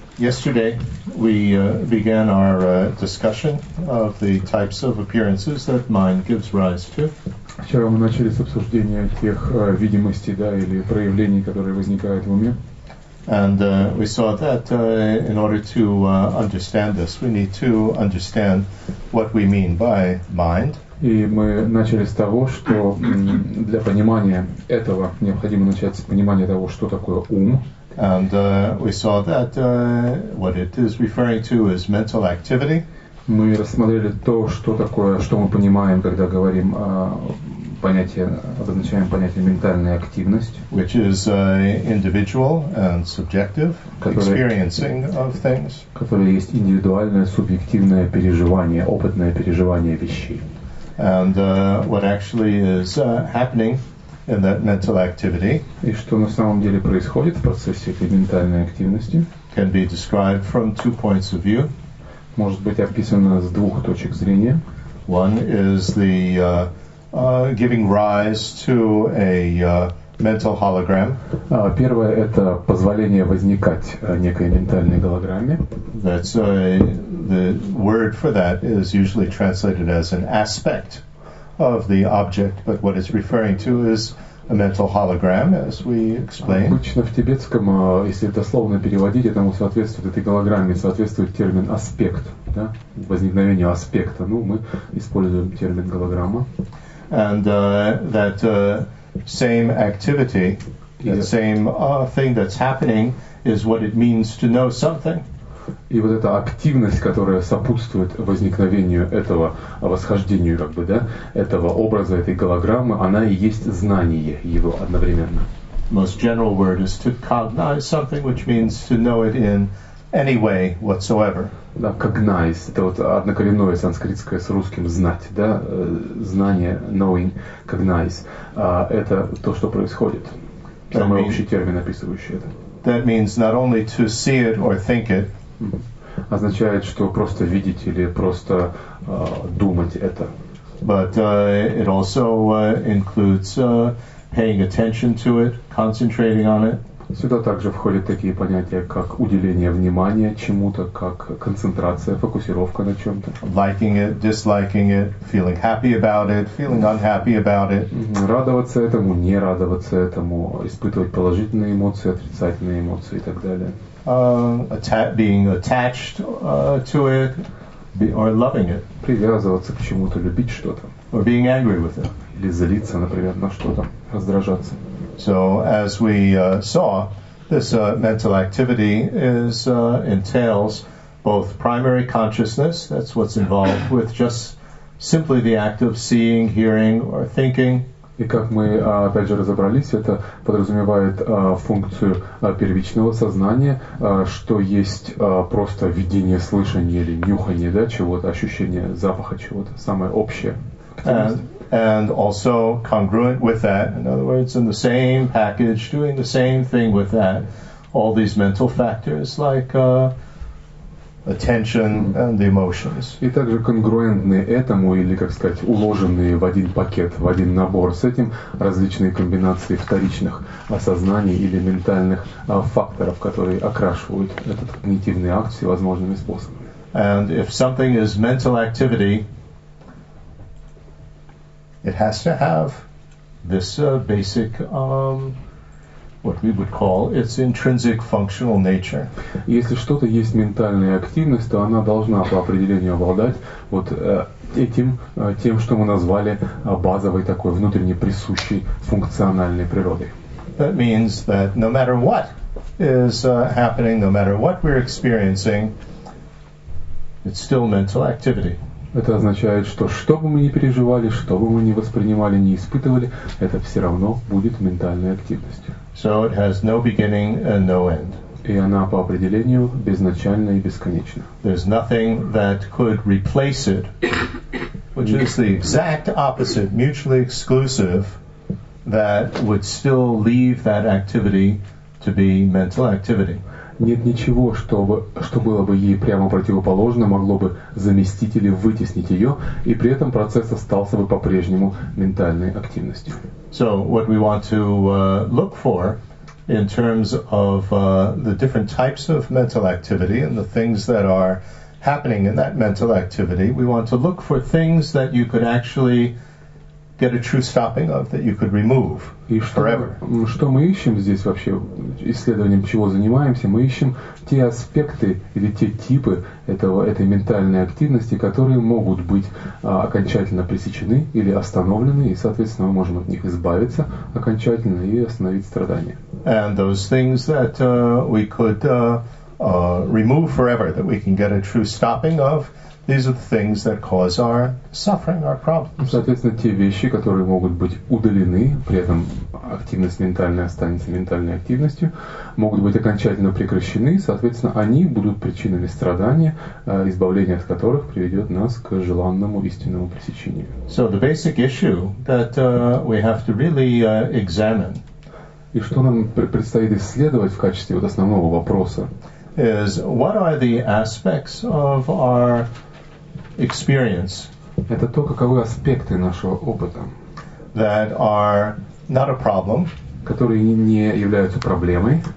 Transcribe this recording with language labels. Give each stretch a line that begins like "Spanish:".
English: Yesterday, we began our discussion of the types of appearances that mind gives rise to.
Russian: Вчера мы начали с обсуждения тех видимостей, да, или проявлений, которые возникают в уме.
English: And we saw that in order to understand this, we need to understand what we mean by mind.
Russian: И мы начали с того, что для понимания этого необходимо начать с понимания того, что такое ум.
English: And we saw that what it is referring to is mental activity.
Russian: Мы рассмотрели то, что такое, что мы понимаем, когда говорим о понятие, обозначаем понятие ментальная активность,
English: which is individual and subjective experiencing of things,
Russian: которое есть индивидуальное, субъективное переживание, опытное переживание вещей.
English: And what actually is happening in that mental activity,
Russian: и что на самом деле происходит в процессе этой ментальной активности,
English: can be described from two points of view,
Russian: может быть описано с двух точек зрения.
English: One is the giving rise to a mental hologram.
Russian: Первое – это позволение возникать некой ментальной голограмме.
English: That's the word for that is usually translated as an aspect of the object, but what it's referring to is a mental hologram, as we explained.
Russian: Обычно в тибетском, если дословно переводить, этому соответствует этой голограмме, соответствует термин аспект, да? Возникновение аспекта. Ну, мы используем термин голограмма.
English: And that same activity, that same thing that's happening, is what it means to know something.
Russian: И вот эта активность, которая сопутствует возникновению этого восхождению, как бы, да, этого образа, этой голограммы, она и есть знание его одновременно.
English: Most general word is to cognize something, which means to know it in any way whatsoever.
Russian: Да, cognize, это вот однокоренное санскритское с русским знать, да, знание, knowing, cognize, это то, что происходит. Самый
English: that
Russian: общий термин, описывающий это.
English: That means not only to see it or think it.
Russian: Означает, что просто видеть или просто думать это.
English: But it also includes paying attention to it, concentrating on it.
Russian: Сюда также входят такие понятия, как уделение внимания чему-то, как концентрация, фокусировка на чем-то.
English: Liking it, disliking it, feeling happy about it, feeling unhappy about it.
Russian: Радоваться этому, не радоваться этому, испытывать положительные эмоции, отрицательные эмоции и так далее.
English: Being attached to it, or loving it.
Russian: Привязываться к чему-то, любить что-то.
English: Or being angry with it.
Russian: Или злиться, например, на что-то, раздражаться.
English: So, as we saw, this mental activity is entails both primary consciousness, that's what's involved with just simply the act of seeing, hearing, or thinking.
Russian: И как мы опять же разобрались, это подразумевает функцию первичного сознания, что есть просто видение, слышание или нюхание, да, чего-то, ощущение запаха чего-то, самое общее.
English: And also congruent with that, in other words, in the same package, doing the same thing with that, all these mental factors like attention and the emotions.
Russian: И также конгруентны этому, или, как сказать, уложенные в один пакет, в один набор с этим, различные комбинации вторичных осознаний или ментальных факторов, которые окрашивают этот когнитивный акт всевозможными способами.
English: And if something is mental activity, it has to have this basic, what we would call its intrinsic functional nature.
Russian: Если что-то есть ментальная активность, то она должна по определению обладать вот этим, тем, что мы назвали базовой такой внутренней присущей функциональной природой.
English: That means that no matter what is happening, no matter what we're experiencing, it's still mental activity.
Russian: Это означает, что бы мы ни переживали, что бы мы ни воспринимали, ни испытывали, это все равно будет ментальной активностью.
English: So it has no beginning and no end.
Russian: И она по определению безначальна и бесконечна.
English: There's nothing that could replace it, which is the exact opposite, mutually exclusive, that would still leave that activity to be mental activity.
Russian: Нет ничего, что было бы ей прямо противоположно, могло бы заместить или вытеснить ее, и при этом процесс остался бы по-прежнему ментальной активностью.
English: So, what we want to look for in terms of the different types of mental activity and the things that are happening in that mental activity, we want to look for things that you could actually get a true stopping of, that you could remove forever.
Russian: Что мы ищем здесь вообще, исследованием чего занимаемся? Мы ищем те аспекты или те типы этого, этой ментальной активности, которые могут быть окончательно пресечены или остановлены, и, соответственно, мы можем от них избавиться окончательно и остановить страдания.
English: And those things that we could remove forever, that we can get a true stopping of, these are the things that cause our suffering, our problems.
Russian: Соответственно, те вещи, которые могут быть удалены, при этом активность ментальная останется ментальной активностью, могут быть окончательно прекращены, соответственно, они будут причинами страдания, избавление от которых приведет нас к желанному истинному пресечению.
English: So the basic issue that we have to really examine.
Russian: И что нам предстоит исследовать в качестве вот основного вопроса?
English: Is what are the aspects of our experience?
Russian: Это то, каковы аспекты нашего опыта.
English: That are not a problem.
Russian: Которые не являются проблемой.